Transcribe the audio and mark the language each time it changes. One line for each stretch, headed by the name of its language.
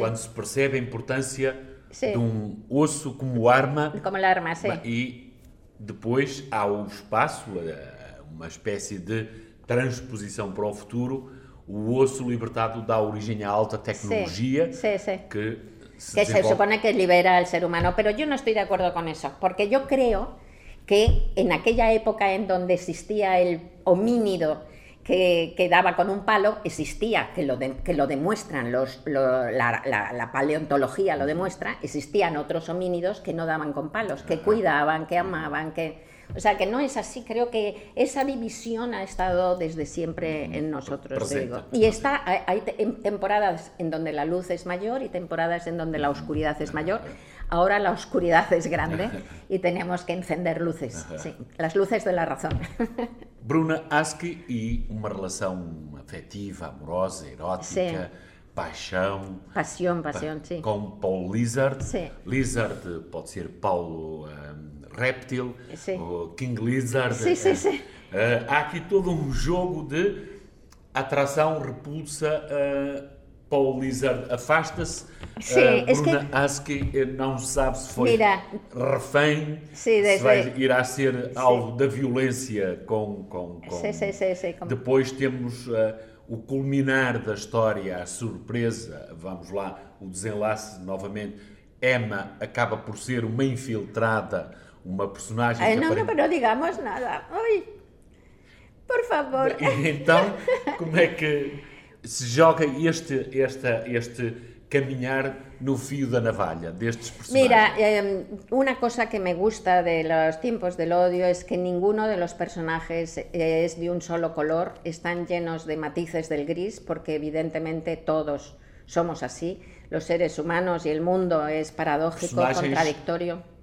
Portuguese: Quando se percebe a importância
Spanish: sí.
Portuguese: de um osso como arma,
Spanish: sí.
Portuguese: e depois há o espaço, uma espécie de transposição para o futuro. O osso libertado dá origem à alta tecnologia.
Spanish: Se supone que libera al ser humano, pero yo no estoy de acuerdo con eso, porque yo creo que en aquella época en donde existía el homínido que daba con un palo, existía, la paleontología lo demuestra, existían otros homínidos que no daban con palos, que cuidaban, que amaban, que... O sea, que no es así, creo que esa división ha estado desde siempre en nosotros, digo. Y está, hay temporadas en donde la luz es mayor y temporadas en donde la oscuridad es mayor. Ahora la oscuridad es grande y tenemos que encender luces, sí, las luces de la razón. Bruna Aski y una relación afectiva, amorosa, erótica, sí.
Portuguese: Paixão. Paixão, sim. Com Paul Lizard. Sim. Lizard pode ser Paulo Reptil. Sim. Ou King Lizard. Sim, sim, sim. Há aqui todo um jogo de atração, repulsa. Paul Lizard afasta-se. Sim, Bruna Aski não sabe se foi refém. Sim, se vai, irá ser alvo da violência com... Sim, sim, sim, sim. Com... Depois temos... o culminar da história, a surpresa, vamos lá, o desenlace novamente. Emma acaba por ser uma infiltrada, uma personagem. Ai, não, aparente... não digamos nada. Ai, por favor. Então, como é que se joga este caminhar no fio da navalha destes personagens?
Spanish: Mira,
Portuguese: uma coisa que
Spanish: me gusta de los tiempos del odio es que ninguno de los personajes es de un solo color, están llenos de matices del gris, porque evidentemente todos somos así, los seres humanos y el mundo es paradójico, contradictorio.